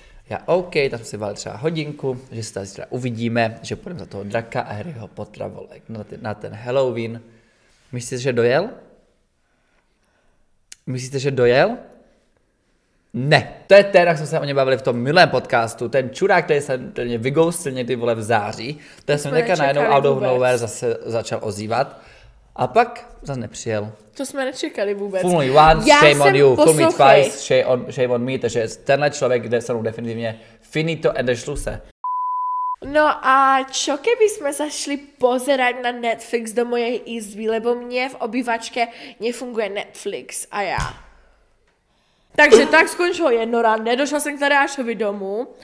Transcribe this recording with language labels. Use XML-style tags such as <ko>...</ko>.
<cs>Já OK, tam si vál třeba hodinku, že se tady uvidíme, že půjdeme za toho draka a Harryho Pottera, vole, na ten Halloween. Myslíte, že dojel? Myslíte, že dojel? Ne. To je ten, jak jsme se o něm bavili v tom minulém podcastu. Ten čurák, který se mě vygoustil někdy, vole, v září. Ten se mě teďka najednou</cs> <en>out of nowhere</en> <cs>zase začal ozývat. A pak zase nepřijel. To jsme nečekali vůbec.</cs> <en>Fool me once, já shame on you, fool me twice, shame on me.</en> <cs>Takže tenhle člověk jde se mnou definitivně finito and schluse.</cs> <sk>No a čo keby jsme zašli pozerať na Netflix do mojej izby, lebo mě v obývačke nefunguje Netflix a já.</sk> <cs>Takže tak skončilo jedno rande, došla jsem k Tadeášovi domů,</cs>